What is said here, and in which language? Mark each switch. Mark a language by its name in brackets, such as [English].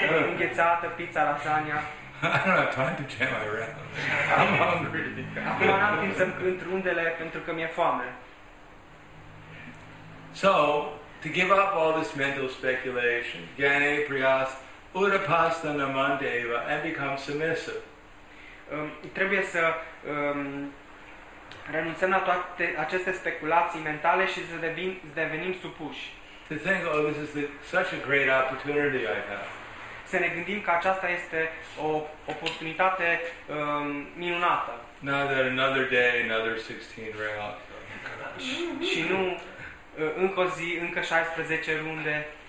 [Romanian] Înghețată, pizza, lasagna. [English] I don't have time to jam around. I'm hungry. [Romanian] Acum n-am timp să-mi cânt rundele pentru că mi-e foame. [English] So, to give up all this mental speculation, [Sanskrit] Gane Priyas, Udapasta Namandeva, [English] and become submissive. [Romanian] Trebuie să renunțăm la toate aceste speculații mentale și să devenim supuși. [English] To think, oh, this is such a great opportunity I have. [Romanian] Să ne gândim că aceasta este o oportunitate minunată. [English] Now that another day, another 16 rounds. [Romanian] Și nu încă o zi, încă 16 runde.